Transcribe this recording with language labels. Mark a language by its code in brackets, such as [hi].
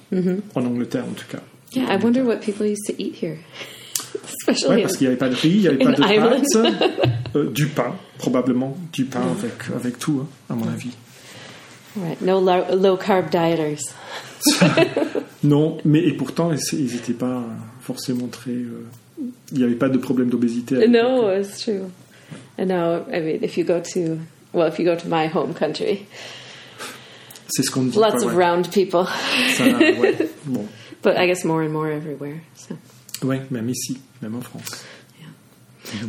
[fr] mm-hmm. en Angleterre en tout cas. [en] Yeah, I wonder what people used to eat here. [fr] Oui, parce qu'il n'y avait pas de riz, il n'y avait pas de pâtes. Du pain, probablement. Du pain yeah. avec tout, hein, à mon avis. [en] Right. No low-carb dieters. [fr] Non, mais et pourtant, ils n'étaient pas forcément très... il n'y avait pas de problème d'obésité. [en] No, it's true. And now, I mean, if you go to... Well, if you go to my home country... [fr] C'est ce qu'on dit. [en] Lots of [fr] ouais. [en] round people. [fr] Ça, ouais. Bon. [en] But I guess more and more everywhere, so... [fr] Oui, même ici, même en France. [en] Yeah.